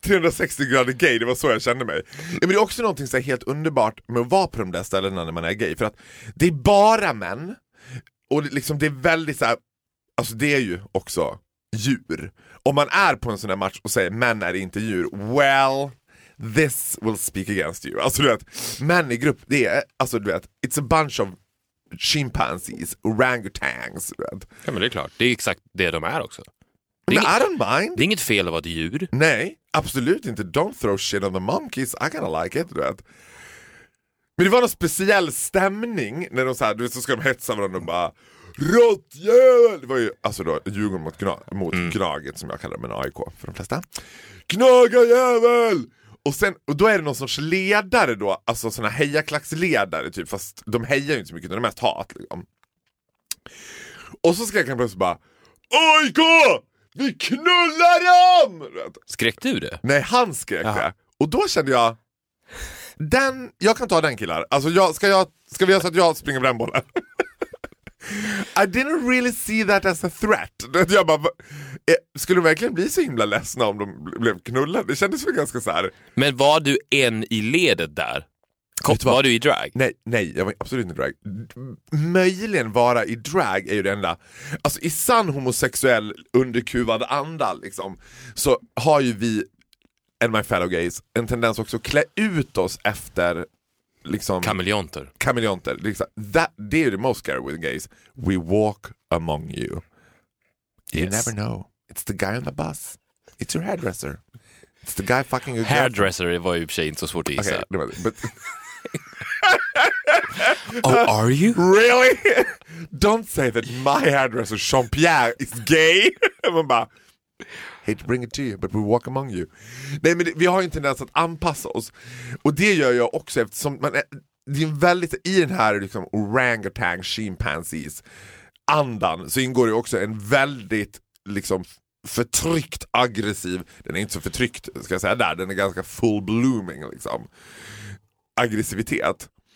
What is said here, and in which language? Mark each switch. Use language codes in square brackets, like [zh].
[sv] 360 grader gay, det var så jag kände mig. Men det är också någonting som är helt underbart med att vara på de där ställena när man är gay. För att det är bara män. Och liksom det är väldigt så här... Alltså det är ju också djur. Om man är på en sån här match och säger män är inte djur. [en] Well, this will speak against you. [sv] Alltså du vet, män i grupp, det är... Alltså du vet, [en] it's a bunch of... chimpanzees, orangutans. [sv] Ja, men det är klart. Det är exakt det de är också. Men [en] I don't mind. [sv] Det är inget fel att vara ett djur. Nej, absolut inte. [en] Don't throw shit on the monkeys. I kinda like it, right? [sv] Men det var någon speciell stämning när de så här, du vet, så ska de hetsa varandra och bara, råttjävel! Det var ju, alltså då, Djurgården mot Gnaget, som jag kallar dem, en AIK för de flesta. Gnagajävel! Och sen, och då är det någon sorts ledare då, alltså såna hejaklaxledare typ, fast de hejar ju inte så mycket, de är mest hat liksom. Och så skrek han plötsligt bara, AIK! Vi knullar dem! Skrek du det? Nej, han skrek det. Och då kände jag, den, jag kan ta den killar. Alltså, ska vi göra så att jag springer på den bollen? [en] I didn't really see that as a threat. [sv] Jag bara, skulle de verkligen bli så himla ledsna om de blev knullade? Det kändes väl ganska så här. Men var du en i ledet där? Var du i drag? Nej, jag var absolut inte i drag. Möjligen vara i drag är ju det enda. Alltså i sann homosexuell underkuvad anda liksom, så har ju vi, [en] and my fellow gays, [sv] en tendens också att klä ut oss efter liksom kameleonter. Kameleonter liksom. Det är det [en] most scary with gays. We walk among you. You never know. It's the guy on the bus. It's your hairdresser. It's the guy fucking your hairdresser. [sv] Det var ju inte så svårt att gissa. [en] Oh, are you? Really? Don't say that my hairdresser, Jean-Pierre, is gay. [sv] Man bara, [en] hate to bring it to you, but we walk among you. [sv] Nej, men vi har ju en tendens att anpassa oss. Och det gör jag också eftersom man är, det är väldigt, i den här liksom orangutan, chimpanzees andan, så ingår det också en väldigt liksom förtryckt, aggressiv, den är inte så förtryckt, ska jag säga där, den är ganska [en] full blooming [sv] liksom aggressivitet.